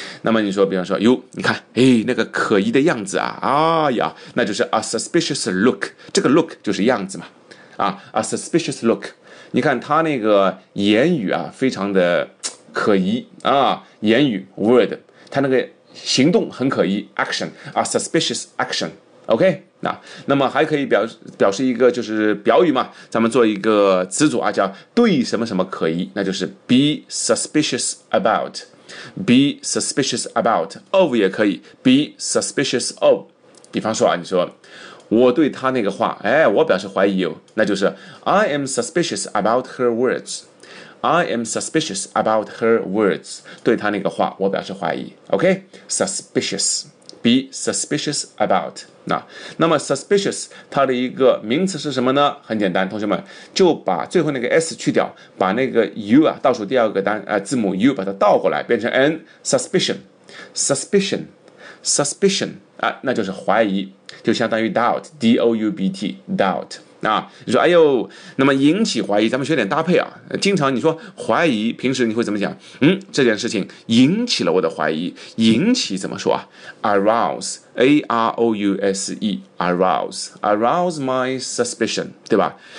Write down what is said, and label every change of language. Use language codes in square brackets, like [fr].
[zh] 那么你说比方说哟，你看哎，那个可疑的样子啊，哎呀，那就是 [en] a suspicious look， [zh] 这个 look 就是样子嘛，啊， [en] a suspicious look， [zh] 你看他那个言语啊非常的可疑啊，言语 word， 他那个行动很可疑 ，action， [en] a suspicious action， [zh] OK， 那么还可以表示一个就是表语嘛，咱们做一个词组啊，叫对什么什么可疑，那就是 [en] be suspicious about， be suspicious about， [zh] of 也可以 [en] be suspicious of， [zh] 比方说啊，你说我对他那个话，哎，我表示怀疑哦，那就是 [en] I am suspicious about her words。 I am suspicious about her words， [zh] 对她那个话我表示怀疑， OK， suspicious， [en] be suspicious about， [zh] 那么 suspicious 它的一个名词是什么呢？很简单，同学们就把最后那个 s 去掉，把那个 u 啊，倒数第二个字母 u 把它倒过来变成 n， suspicion， suspicion， suspicion、啊、那就是怀疑，就相当于 doubt， D-O-U-B-T， doubt。那你说哎呦，那么引起怀疑咱们学点搭配啊，经常你说怀疑，平时你会怎么讲，嗯，这件事情引起了我的怀疑，引起怎么说啊， arouse， A-R-O-U-S-E， arouse， [en] arouse my suspicion， [zh] 对吧？